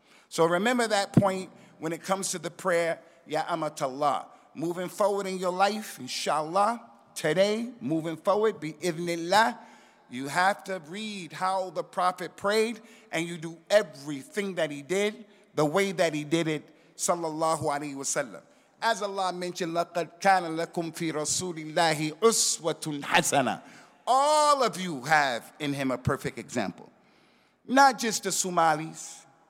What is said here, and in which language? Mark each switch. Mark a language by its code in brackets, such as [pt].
[en] So remember that point when it comes to the prayer, Ya Amatallah. Moving forward in your life, inshallah. Today, moving forward, bi-idhnillah, you have to read how the Prophet prayed and you do everything that he did the way that he did it, sallallahu alayhi wa sallam. As Allah mentioned, [ar] لَقَدْ كَانَ لَكُمْ فِي رَسُولِ اللَّهِ أُسْوَةٌ حَسَنًا. [en] All of you have in him a perfect example. Not just the Somalis.